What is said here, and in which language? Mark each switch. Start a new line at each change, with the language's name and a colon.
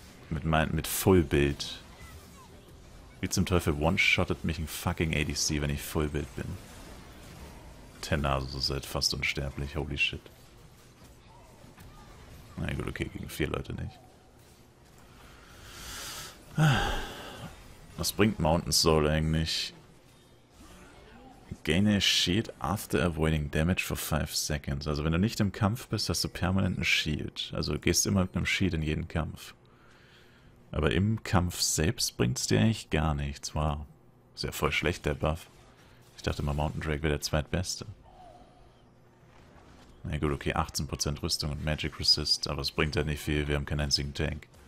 German: Mit Full-Build. Wie zum Teufel one-shottet mich ein fucking ADC, wenn ich Full-Build bin? Tenazo seid fast unsterblich,
English: holy shit.
German: Na gut, okay, gegen vier Leute nicht. Was bringt Mountain Soul eigentlich?
English: Gain a shield after avoiding damage for 5 seconds.
German: Also wenn du nicht im Kampf bist, hast du permanent einen Shield. Also du gehst immer mit einem Shield in jeden Kampf. Aber im Kampf selbst bringt es dir eigentlich gar nichts. Wow. Ist ja voll schlecht, der Buff. Ich dachte immer, Mountain Drake wäre der zweitbeste. Na gut, okay, 18% Rüstung und Magic Resist, aber es bringt ja nicht viel, wir haben keinen einzigen Tank.